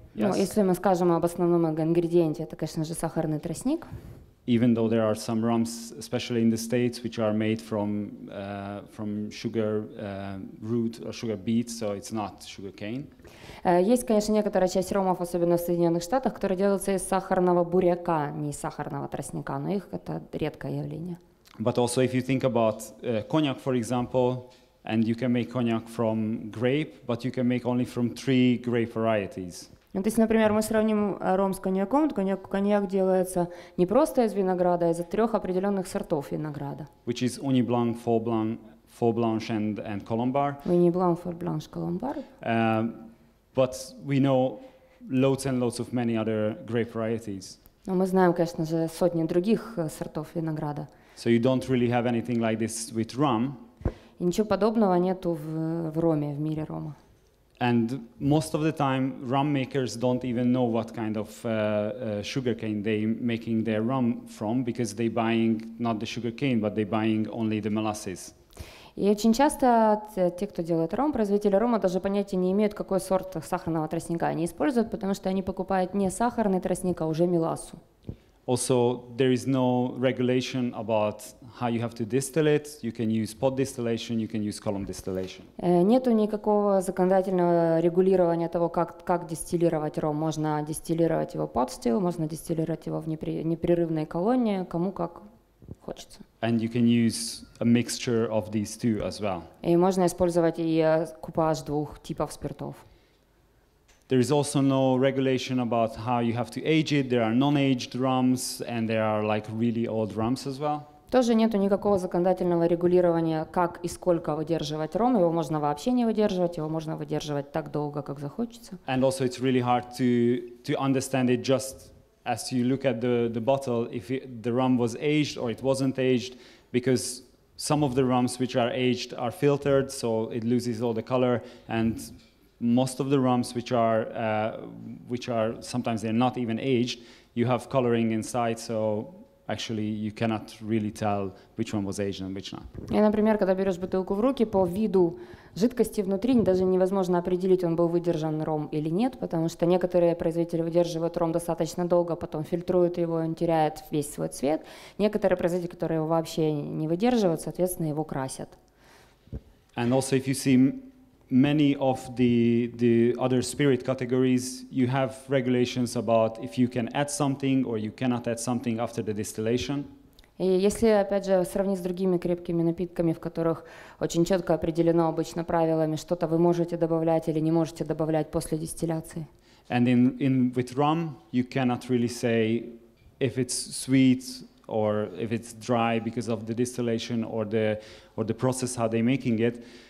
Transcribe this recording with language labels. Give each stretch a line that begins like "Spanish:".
Russian: Yes. Ну, если мы скажем об основном ингредиенте, это, конечно же, сахарный тростник.
English: Even though there are some rums, especially in the States, which are made from sugar root or sugar beet, so it's not sugar cane.
Russian: Есть, конечно, некоторая часть ромов, особенно в Соединенных Штатах, которые делаются из сахарного буряка, не из сахарного тростника, но их это редкое явление.
English: But also, if you think about cognac, for example, and you can make cognac from grape, but you can make only from three grape varieties.
Russian: Ну, то есть, например, мы сравним ром с коньяком. Коньяк делается не просто из винограда, а из трех определенных сортов винограда.
English: Which is Uni Blanc, Faux Blanc, Faux Blanche, and Colombard. Uni Blanc, Faux Blanche, Colombard. But we know loads and loads of many other grape varieties.
Russian: Но мы знаем, конечно же, сотни других сортов винограда.
English: So you don't really have anything like this with rum.
Russian: И ничего подобного нету в роме, в мире рома.
English: And most of the time, rum makers don't even know what kind of sugarcane they're making their rum from, because they're buying not the sugarcane, but they're buying only the molasses.
Russian: И очень часто те, кто делает ром, производители рома, даже понятия не имеют, какой сорт сахарного тростника они используют, потому что они покупают не сахарный тростник, а уже меласу.
English: Also, there is no regulation about how you have to distill it. You can use pot distillation, you can use column distillation.
Russian: Нету никакого законодательного регулирования того, как дистиллировать ром. Можно дистиллировать его pot still, можно дистиллировать его в непрерывной колонии, кому как хочется.
English: And you can use a mixture of these two as well.
Russian: И можно использовать и купаж двух типов спиртов.
English: There is also no regulation about how you have to age it. There are non-aged rums and there are like really old rums as well.
Russian: Тоже нету никакого законодательного регулирования, как и сколько выдерживать ром. Его можно вообще не выдерживать, его можно выдерживать так долго, как захочется.
English: And also it's really hard to understand it just as you look at the bottle, if the rum was aged or it wasn't aged, because some of the rums which are aged are filtered, so it loses all the color, and most of the rums which are sometimes they're not even aged, you have coloring inside, so actually you cannot really tell which one was aged and which not.
Russian: И, например, когда берешь бутылку в руки, по виду жидкости внутри даже невозможно определить, он был выдержан ром или нет, потому что некоторые производители выдерживают ром достаточно долго, потом фильтруют его, он теряет весь свой цвет. Некоторые производители, которые его вообще не выдерживают, соответственно, его красят.
English: And also if you see many of the other spirit categories, you have regulations about if you can add something or you cannot add something after the distillation.
Russian: И если, опять же, сравнить с другими крепкими напитками, в которых очень четко определено обычно правилами, что-то вы можете добавлять или не можете добавлять после дистилляции.
English: And in with rum, you cannot really say if it's sweet or if it's dry because of the distillation or the process how they're making it.